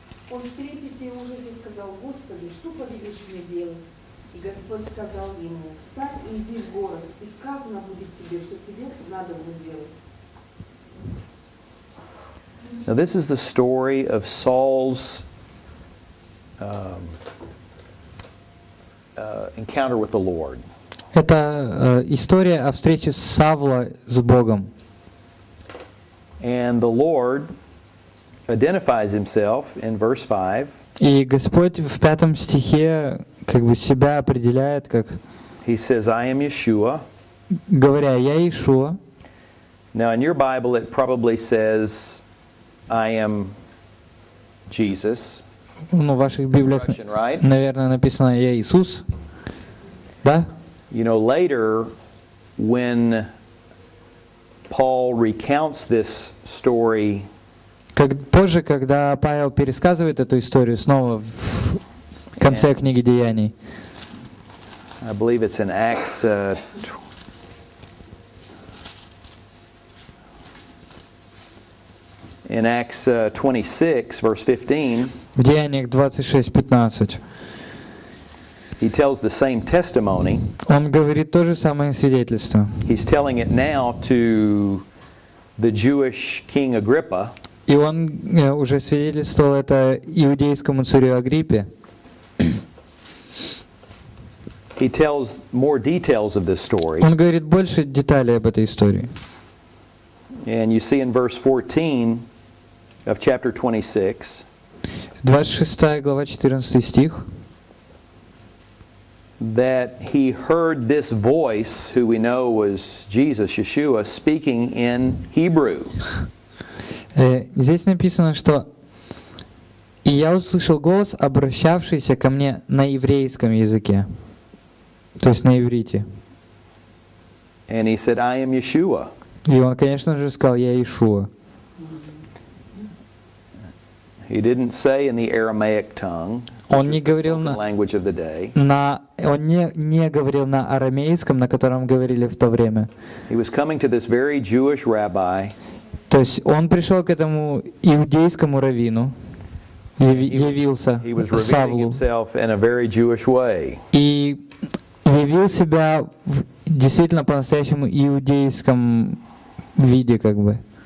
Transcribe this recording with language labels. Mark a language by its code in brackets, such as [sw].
[ru] Он в трепете и ужасе сказал: «Господи, что повелишь мне делать?» И Господь сказал ему: «Встань и иди в город, и сказано будет тебе, что тебе надо будет делать». [en] Now this is the story of Saul's encounter with the Lord. [ru] Это история о встрече Савла с Богом. [en] And the Lord identifies himself in verse 5. [ru] И Господь в пятом стихе как бы себя определяет как. [en] He says, "I am Yeshua." [ru] Говоря, я Иешуа. [en] Now in your Bible it probably says, "I am Jesus." [ru] Ну, в ваших библиях, наверное, написано, я Иисус. Да? [en] You know, later, when Paul recounts this story, [ru] позже, когда Павел пересказывает эту историю снова в конце книги Деяний, [en] I believe it's in Acts 20. In Acts 26, verse 15, [ru] в Деяниях 26:15, [en] he tells the same testimony. [ru] Он говорит то же самое свидетельство. [en] He's telling it now to the Jewish king Agrippa. [ru] И он уже свидетельствовал это иудейскому царю Агриппе. [en] He tells more details of this story. [ru] Он говорит больше деталей об этой истории. [en] And you see in verse 14. Of chapter 26. [ru] 26 глава 14 стих. [en] That he heard this voice, who we know was Jesus, Yeshua, speaking in Hebrew. [ru] Здесь написано, что и я услышал голос, обращавшийся ко мне на еврейском языке, то есть на иврите. [en] And he said, "I am Yeshua." [ru] И он, конечно же, сказал, я Иешуа. [en] He didn't say in the Aramaic tongue. [ru] Он не говорил на [en] language of the day. [ru] Он не говорил на арамейском, на котором говорили в то время. [en] He was coming to this very Jewish rabbi. [ru] То есть он пришел к этому иудейскому раввину, явился Савлу. [en] He was revealing himself in a very Jewish way. [ru] И явил себя в действительно по-настоящему иудейском виде, как бы.